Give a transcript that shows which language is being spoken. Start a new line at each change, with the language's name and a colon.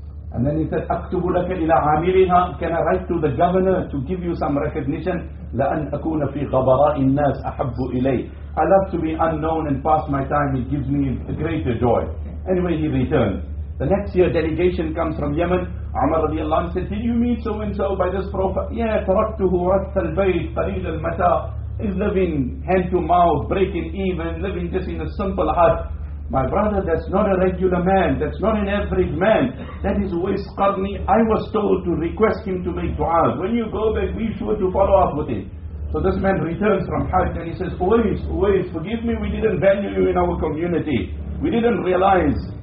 English: And then he said,
Arabic: أَكْتُبُ لَكَ إِلَىٰ عَامِرِهَا.
English: Can I write to the governor to give you some recognition?
Arabic: لَأَنْ أَكُونَ فِي غَبَرَاءِ النَّاسِ أَحَبُّ إِلَيْهِ.
English: I love to be unknown and pass my time. It gives me a greater joy. Anyway, he returned. The next year, delegation comes from Yemen. Umar radiallahu anhu said, did you meet so-and-so by this prophet?
Arabic: Yeah, تَرَكْتُهُ رَتَّ الْبَيْتِ قَلِيلَ الْمَتَاءِ.
English: Is living hand-to-mouth, breaking even, living just in a simple hut. My brother, that's not a regular man, that's not an average man, that is Uwais Qarni. I was told to request him to make du'as. When you go back, be sure to follow up with him. So this man returns from Hajj and he says, Uwais, forgive me, we didn't value you in our community. We didn't realize.